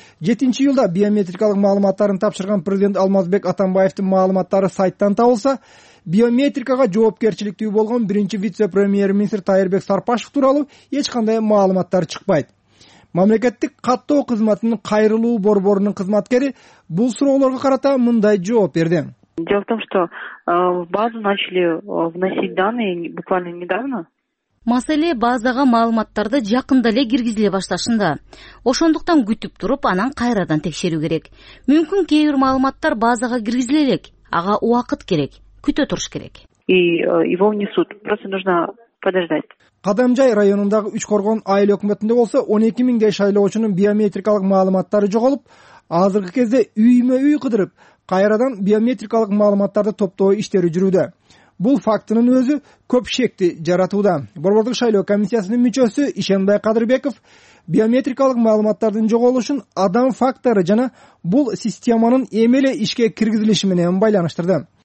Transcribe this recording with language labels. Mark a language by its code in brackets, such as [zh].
[ky] 7-нчи июлда биометрикалык маалыматтарын тапшырган президент Алмазбек Атамбаевдин маалыматтары сайттан табылса, биометрикага жоопкерчиликтүү болгон биринчи вице-премьер-министр Тайырбек Сарпашев тууралуу эч кандай маалыматтар чыкпайт. Мамлекеттик каттоо кызматынын кайрылуу борборунун кызматкери бул суроолорго карата мындай жооп берди. [ru] Дело в том, что базу начали вносить данные буквально недавно. [ky] Маселе базага маалыматтарды жакында эле киргизиле башташында. Ошондуктан күтүп туруп, анан кайрадан текшерүү керек. Мүмкүн кээ бир маалыматтар базага киргизиле элек, ага убакыт керек, күтө туруш керек. [ru] Его внесут, просто нужно подождать. [ky] Кадамжай районундагы Үч Коргон айыл өкмөтүндө болсо 12,000 шайлоочунун биометрикалык маалыматтары жоголуп, азыркы кезде үймө-үй кыдырып, кайрадан биометрикалык маалыматтарды топтоо иштери жүрүүдө. Бул фактынын өзү көп шекти жаратууда. Борбордук шайлоо комиссиясынын мүчөсү Ишенбай Кадырбеков биометрикалык маалыматтардын жоголушун адам фактору жана бул системанын эмеле ишке киргизилиши менен байланыштырды.